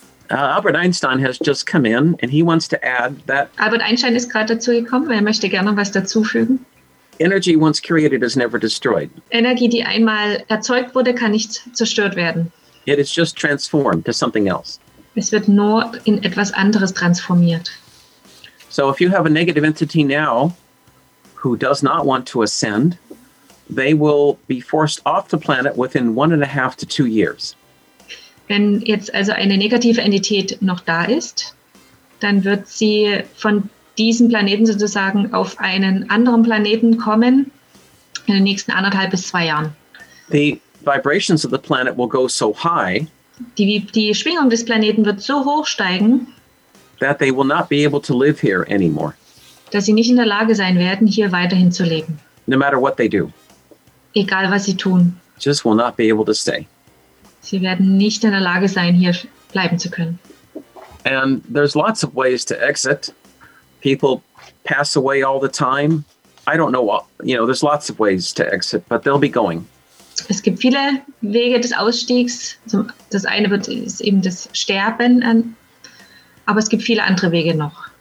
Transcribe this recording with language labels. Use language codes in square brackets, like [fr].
[en] Albert Einstein has just come in and he wants to add that [de] Albert Einstein ist gerade dazu gekommen, er möchte gerne was dazufügen. [en] Energy once created is never destroyed. [de] Energie, die einmal erzeugt wurde, kann nicht zerstört werden. [en] It is just transformed to something else. [de] Es wird nur in etwas anderes transformiert. [en] So if you have a negative entity now who does not want to ascend, they will be forced off the planet within 1.5 to 2 years. [de] Wenn jetzt also eine negative Entität noch da ist, dann wird sie von diesen Planeten sozusagen auf einen anderen Planeten kommen in den nächsten 1,5 bis 2 Jahren. [en] The vibrations of the planet will go so high, [de] die Schwingung des Planeten wird so hoch steigen, [en] that they will not be able to live here anymore. [de] Dass sie nicht in der Lage sein werden, hier weiterhin zu leben. [en] No matter what they do. [de] Egal was sie tun. [en] Just will not be able to stay. [de] Sie werden nicht in der Lage sein, hier bleiben zu können. [en] And there's lots of ways to exit. People pass away all the time. I don't know what, you know, there's lots of ways to exit, but they'll be going. [de] Es gibt viele Wege des Ausstiegs. Das eine wird ist eben das Sterben, aber es gibt viele andere Wege noch.